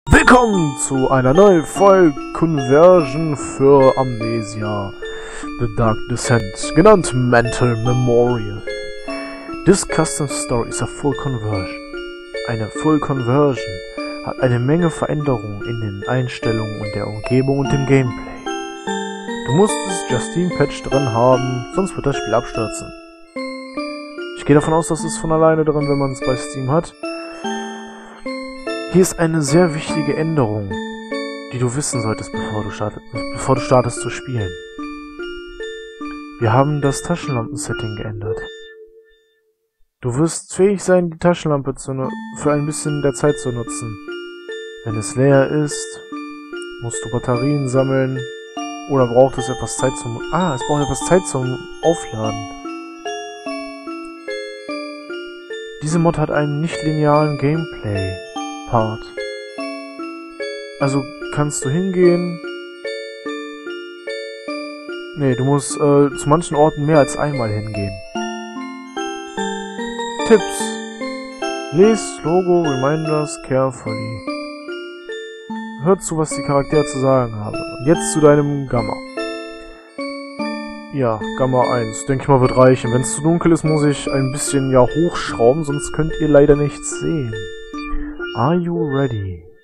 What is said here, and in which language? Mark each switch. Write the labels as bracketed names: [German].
[German] Willkommen zu einer neuen Folge Conversion für Amnesia, The Dark Descent, genannt Mental Memorial. [English] This custom story is a full conversion. [German] Eine full conversion hat eine Menge Veränderungen in den Einstellungen und der Umgebung und dem Gameplay. Du musst das Justine Patch drin haben, sonst wird das Spiel abstürzen. Ich gehe davon aus, dass es von alleine drin, wenn man es bei Steam hat. Hier ist eine sehr wichtige Änderung, die du wissen solltest, bevor du startest zu spielen. Wir haben das Taschenlampen-Setting geändert. Du wirst fähig sein, die Taschenlampe für ein bisschen der Zeit zu nutzen. Wenn es leer ist, musst du Batterien sammeln oder braucht es etwas Zeit zum... es braucht etwas Zeit zum Aufladen. Diese Mod hat einen nicht-linearen Gameplay. Part. Also kannst du hingehen. Nee, du musst zu manchen Orten mehr als einmal hingehen. Tipps: Lest [English] Logo Reminders carefully. [German] Hör zu, was die Charaktere zu sagen haben. Und jetzt zu deinem Gamma. Ja, Gamma 1, denke ich mal, wird reichen. Wenn es zu dunkel ist, muss ich ein bisschen ja hochschrauben, sonst könnt ihr leider nichts sehen. [English] Are you ready?